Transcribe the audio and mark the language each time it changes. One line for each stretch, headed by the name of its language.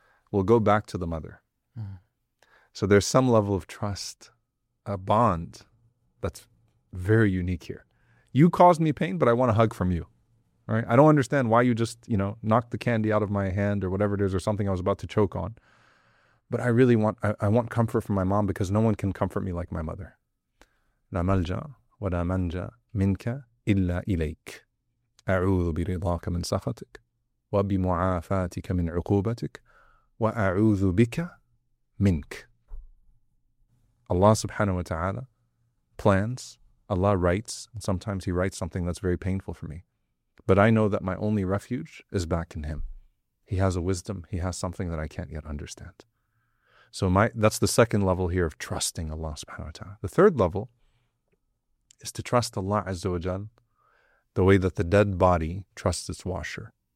English: We'll go back to the mother. Mm-hmm. So there's some level of trust, a bond that's very unique here. You caused me pain, but I want a hug from you, right? I don't understand why you just, you know, knocked the candy out of my hand or whatever it is or something I was about to choke on. But I really want, I want comfort from my mom because no one can comfort me like my mother.
Arabic: لا ملجا ولا منجا منك إلا إليك أعوذ برضاك من سخطك وبمعافاتك من عقوبتك وأعوذ بك منك.
English: Allah subhanahu wa ta'ala plans, Allah writes, and sometimes He writes something that's very painful for me. But I know that my only refuge is back in Him. He has a wisdom. He has something that I can't yet understand. So that's the second level here of trusting Allah subhanahu wa ta'ala. The third level is to trust Allah azza wa jal the way that the dead body trusts its washer.